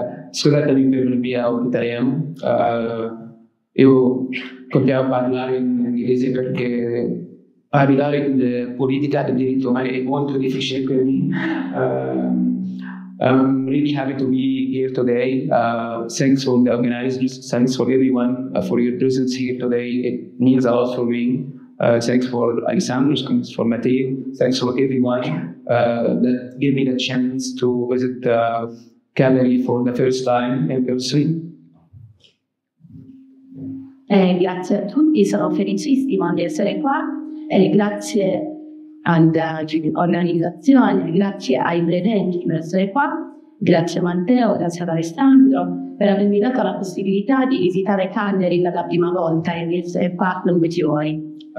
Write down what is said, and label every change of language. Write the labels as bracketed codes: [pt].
[it] Scusatemi per il mio italiano. Io continuo a parlare in inglese perché parlare di politica, di diritto umano è molto difficile per me. [en] I'm really happy to be here today. Thanks for the organizers. Thanks for everyone for your presence here today. It means a lot for me. Thanks for Alessandro. Thanks for Matteo. Thanks for everyone that gave me the chance to visit Calgary for the first time in person. [it] Grazie a tutti, sono felicissima di essere qua e grazie all'organizzazione, grazie ai presenti per essere qua, grazie a Matteo, grazie ad Alessandro per avermi dato la possibilità di visitare Cagliari per la prima volta e di essere qua con voi.